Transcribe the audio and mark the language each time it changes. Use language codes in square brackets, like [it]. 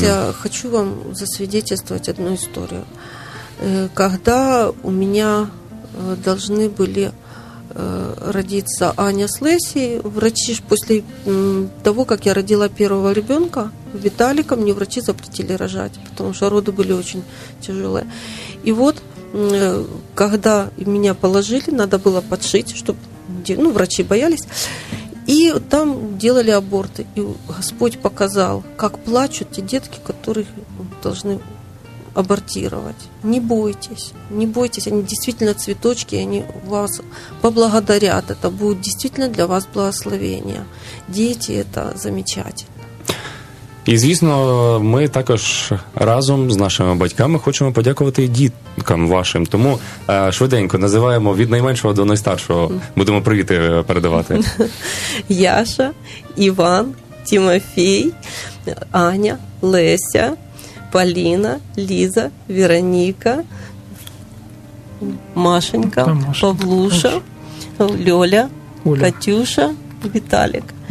[uk] Зараз я хочу вам засвідчити одну історію. Коли у мене повинні були родитися Аня з Лесі, врачі ж після того, як я родила першого дитину, Виталика, [ru] мне врачи запретили рожать, потому что роды были очень тяжелые. И вот, когда меня положили, надо было подшить, чтобы врачи боялись, и там делали аборты. И Господь показал, как плачут те детки, которых должны абортировать. Не бойтесь, они действительно цветочки, они вас поблагодарят, это будет действительно для вас благословение. Дети – это замечательно. [uk] І, звісно, ми також разом з нашими батьками хочемо подякувати діткам вашим. Тому швиденько називаємо від найменшого до найстаршого. Будемо привіти передавати. Яша, Іван, Тимофій, Аня, Леся, Поліна, Ліза, Вероніка, Машенька, Павлуша, Льоля, Оля, Катюша, Віталік.